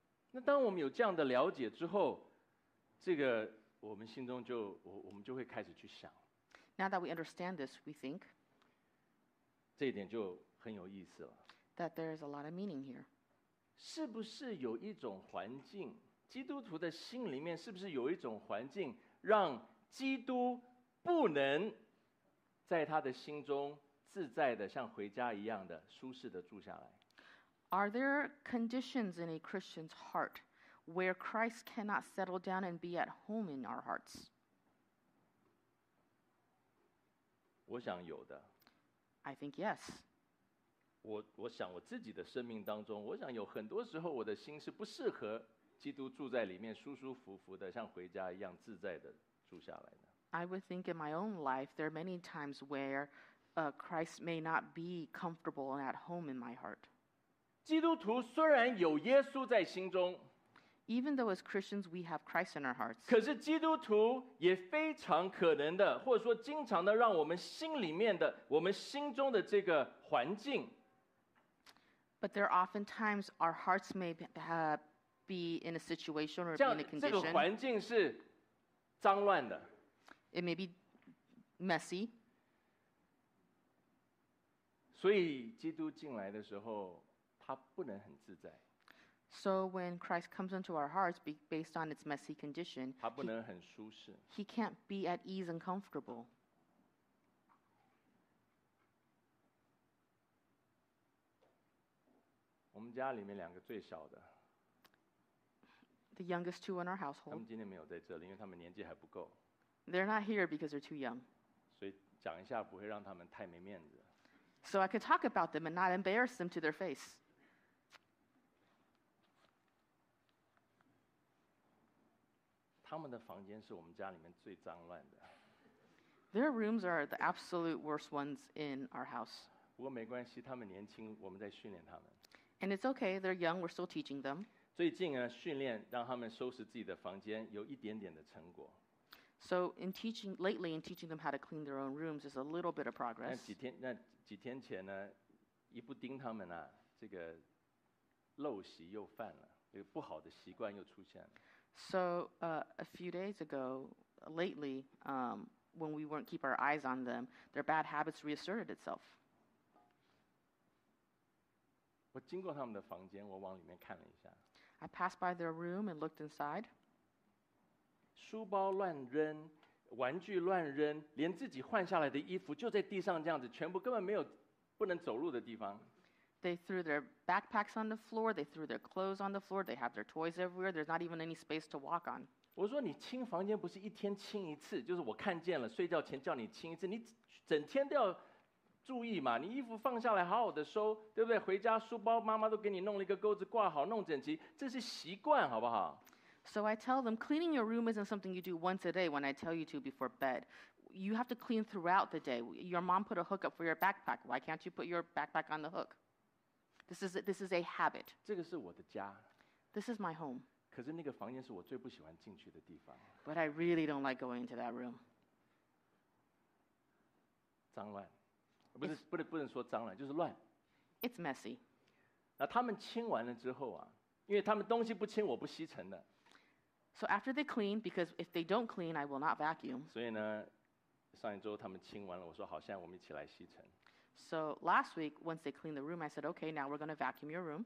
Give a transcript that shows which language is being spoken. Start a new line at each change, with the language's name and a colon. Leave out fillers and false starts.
Chinese: 那当我们有这样的了解之后，这个我们心中就我们就会开始去想。
English: Now that we understand this, we think.
Chinese: 这一点就很有意思了。
English: That there is a lot of meaning here.
Chinese: 是不是有一种环境，基督徒的心里面是不是有一种环境，让基督不能在他的心中自在的像回家一样的舒适的住下来。
English: Are there conditions in a Christian's heart where Christ cannot settle down and be at home in our hearts?
Chinese: 我想有的。
English: I think yes.
Chinese: 我想我自己的生命当中，我想有很多时候我的心是不适合基督住在里面舒舒服服的，像回家一样自在的住下来的。
English: I would think in my own life there are many times where Christ may not be comfortable and at home in my heart.
Chinese: 基督徒虽然有耶稣在心中，
English: even though as Christians we have Christ in our hearts,
Chinese: 可是基督徒也非常可能的，或者说经常的，让我们心里面的，我们心中的这个环境，
English: but there are often times our hearts may be in a situation or be in a condition.
Chinese: 这个环境是脏乱的。
English: It may be messy.
Chinese: 所以基督进来的时候，他不能很自在。
English: So when Christ comes into our hearts, based on its messy condition,
Chinese: 他不能很舒适。
English: He can't be at ease and comfortable.
Chinese: 我们家里面两个最小的。
English: The youngest two in our household.
Chinese: 他们今天没有在这里，因为他们年纪还不够。
English: They're not here because they're too young.
Chinese: 所以讲一下不会让他们太没面子。
English: So I could talk about them and not embarrass them to their face.
Chinese: 他们的房间是我们家里面最脏乱的。
English: Their rooms are the absolute worst ones in our house.
Chinese: 不过没关系，他们年轻，我们在训练他们。
English: And it's okay, they're young, we're still teaching them.
Chinese: 最近呢，训练让他们收拾自己的房间，有一点点的成果。
English: So in teaching lately, in teaching them how to clean their own rooms, is a little bit of progress.
Chinese: 那几天前呢，一不盯他们啊，这个陋习又犯了，这个不好的习惯又出现了。
English: So a few days ago, lately, when we weren't keep our eyes on them, their bad habits reasserted itself.
Chinese: 我经过他们的房间，我往里面看了一下。
English: I passed by their room and looked inside.
Chinese: 书包乱扔，玩具乱扔，连自己换下来的衣服就在地上这样子，全部根本没有不能走路的地方。
English: They threw their backpacks on the floor. They threw their clothes on the floor. They have their toys everywhere. There's not even any space to walk on.
Chinese: 我说你清房间不是一天清一次，就是我看见了睡觉前叫你清一次，你整天都要注意嘛。你衣服放下来好好的收，对不对？回家书包妈妈都给你弄了一个钩子挂好，弄整齐，这是习惯，好不好？
English: So I tell them, cleaning your room isn't something you do once a day when I tell you to before bed. You have to clean throughout the day. Your mom put a hook up for your backpack. Why can't you put your backpack on the hook? This is a habit.
Chinese: 这个是我的家。
English: This is my home.
Chinese: 可是那个房间是我最不喜欢进去的地方。
English: But I really don't like going into that room.
Chinese: 脏乱。不能说脏乱，就是乱。
English: It's messy.
Chinese: 那他们清完了之后啊，因为他们东西不清，我不吸尘的。
English: So after they clean, because if they don't clean, I will not vacuum.
Chinese: 所以呢，上一周他们清完了，我说好，现在我们一起来吸尘。
English: So last week, once they cleaned the room, I said, okay, now we're going to vacuum your room.